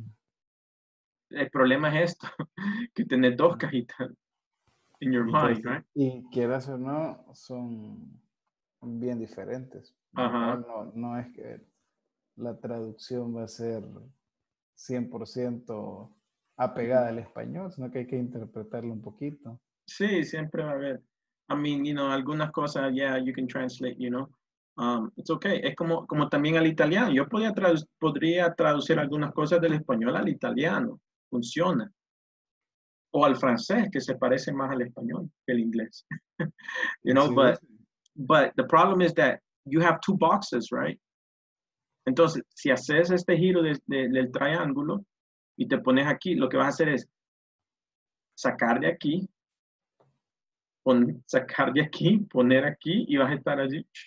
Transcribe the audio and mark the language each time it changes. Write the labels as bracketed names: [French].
[Spanish] Uh-huh. El problema es esto, que tenés dos cajitas [English] in your mind, right? [Spanish] Y quieras o no, son bien diferentes. Uh-huh. No es que la traducción va a ser 100% apegada al español, sino que hay que interpretarlo un poquito. Sí, siempre va a haber. [English] I mean, you know, [Spanish] algunas cosas, [English] yeah, you can translate, you know. It's okay. [Spanish] Es como también al italiano. Yo podría traducir algunas cosas del español al italiano. Funciona. O al francés, que se parece más al español que el inglés. [English] You know, sí. But the problem is that you have two boxes, right? [Spanish] Entonces, si haces este giro del triángulo y te pones aquí, lo que vas a hacer es sacar de aquí, poner aquí y vas a estar allí.